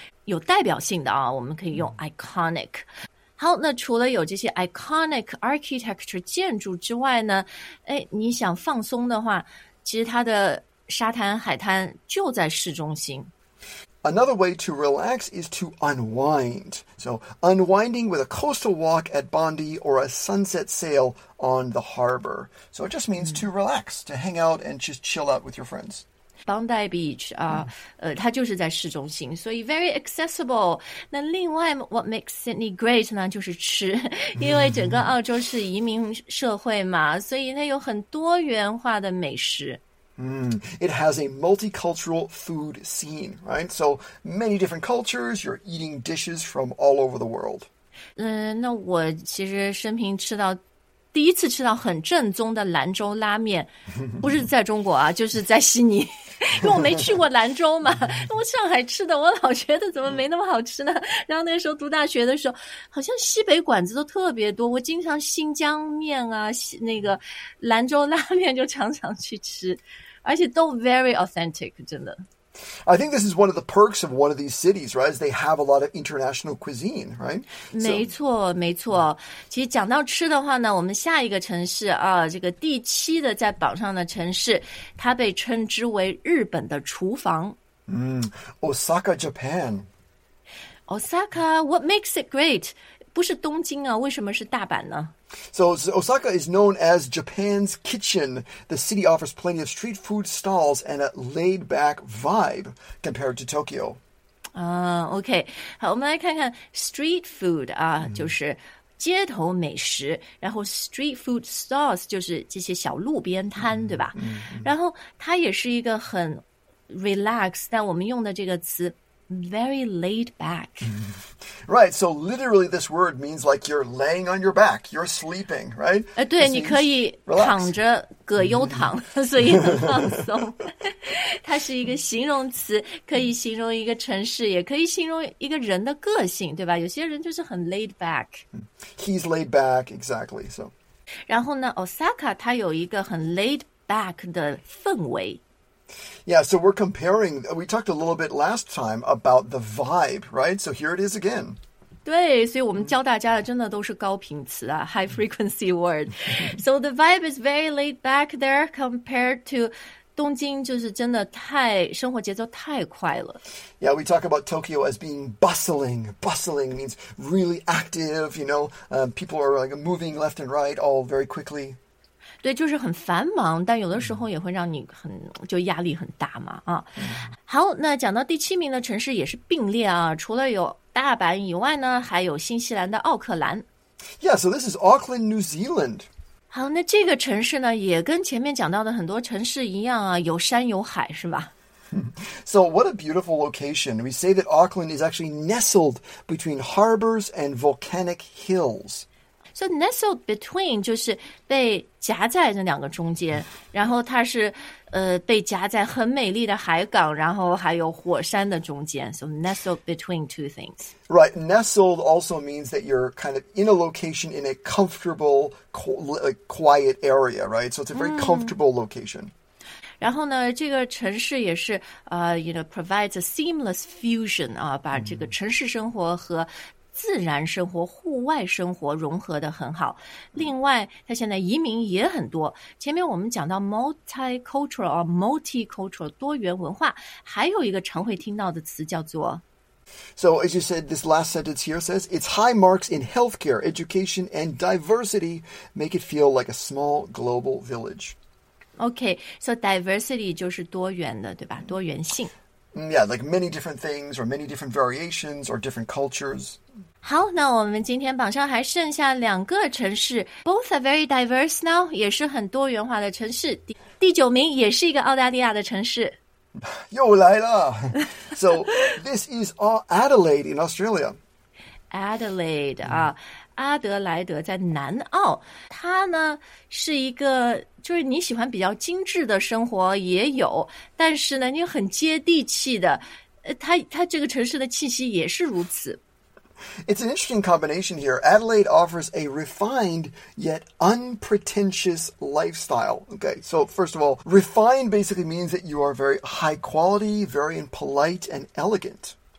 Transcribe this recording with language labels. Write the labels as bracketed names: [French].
[Chinese] 有代表性的啊，我们可以用 iconic。好，那除了有这些 [English] iconic architecture [Chinese] 建筑之外呢，哎，你想放松的话，其实它的沙滩海滩就在市中心。 [English] Another way to relax is to unwind. So, unwinding with a coastal walk at Bondi or a sunset sail on the harbor. So, it just means to relax, to hang out and just chill out with your friends. [Chinese] Bondi Beach, 它就是在市中心，所以 [English] very accessible. [Chinese] 那另外 [English] what makes Sydney great [Chinese] 呢，就是吃，因为整个澳洲是移民社会嘛，所以它有很多元化的美食。 [English] It has a multicultural food scene, right? So many different cultures, you're eating dishes from all over the world. [Chinese] 那我其实生平吃到第一次吃到很正宗的兰州拉面，不是在中国啊，就是在悉尼，因为我没去过兰州嘛。我上海吃的，我老觉得怎么没那么好吃呢？然后那个时候读大学的时候，好像西北馆子都特别多，我经常新疆面啊，那个兰州拉面就常常去吃，而且都 [English] very authentic， [Chinese] 真的。 [English] I think this is one of the perks of one of these cities, right? Is they have a lot of international cuisine, right? [Chinese] 没错，没错。其实讲到吃的话呢，我们下一个城市啊，这个第七的在榜上的城市，它被称之为日本的厨房。 [English] Osaka, Japan. Osaka, what makes it great? [Chinese] 不是东京啊，为什么是大阪呢？ [English] So Osaka is known as Japan's kitchen. The city offers plenty of street food stalls and a laid-back vibe compared to Tokyo. Okay. [Chinese] 好，我们来看看 street food 啊，就是街头美食。然后 street food stalls 就是这些小路边摊，对吧？然后它也是一个很 relax， 但我们用的这个词。 [English] Very laid back. Right, so literally this word means like you're laying on your back, you're sleeping, right? [Chinese] 对，你可以躺着葛优躺，所以很放松。它是一个形容词，可以形容一个城市，也可以形容一个人的个性，对吧？有些人就是很 laid back. He's laid back, exactly. So. 然后呢 ,Osaka 它有一个很 laid back 的氛围。 [English] Yeah, so we're comparing, we talked a little bit last time about the vibe, right? So here it is again. [Chinese] 对，所以我们教大家的真的都是高频词啊, [English] high frequency word. So the vibe is very laid back there compared to [Chinese] 东京就是真的太，生活节奏太快了。 [English] Yeah, we talk about Tokyo as being bustling. Bustling means really active, you know, people are like moving left and right all very quickly. [Chinese] 对，就是很繁忙，但有的时候也会让你很就压力很大嘛啊。好，那讲到第七名的城市也是并列啊，除了有大阪以外呢，还有新西兰的奥克兰。 [English] Yeah, so this is Auckland, New Zealand. [Chinese] 好，那这个城市呢，也跟前面讲到的很多城市一样啊，有山有海，是吧？ [English] So what a beautiful location. We say that Auckland is actually nestled between harbors and volcanic hills. So nestled between [Chinese] 就是被夹在那两个中间，然后它是被夹在很美丽的海港，然后还有火山的中间。 [English] So nestled between two things. Right, nestled also means that you're kind of in a location in a comfortable, quiet area, right? So it's a very comfortable location. [Chinese] 然后呢，这个城市也是 [English] you know, provides a seamless fusion [Chinese] 啊，把这个城市生活和自然生活、户外生活融合得很好。另外，它现在移民也很多。前面我们讲到 multicultural 多元文化，还有一个常会听到的词叫做 [English] So as you said, this last sentence here says, its high marks in healthcare, education, and diversity make it feel like a small global village. Okay, so diversity [Chinese] 就是多元的，对吧？多元性。 [English] Yeah, like many different things or many different variations or different cultures. [Chinese] 好，那我们今天榜上还剩下两个城市。 [English] Both are very diverse now, [Chinese] 也是很多元化的城市。第九名也是一个澳大利亚的城市。又来了。 [English] So this is Adelaide in Australia. [Chinese] Adelaide, 啊，阿德莱德在南澳。它呢是一个就是你喜欢比较精致的生活也有，但是呢你很接地气的，它这个城市的气息也是如此。 [English] It's an interesting combination here. Adelaide offers a refined yet unpretentious lifestyle. Okay, so first of all, refined basically means that you are very high quality, very polite and elegant.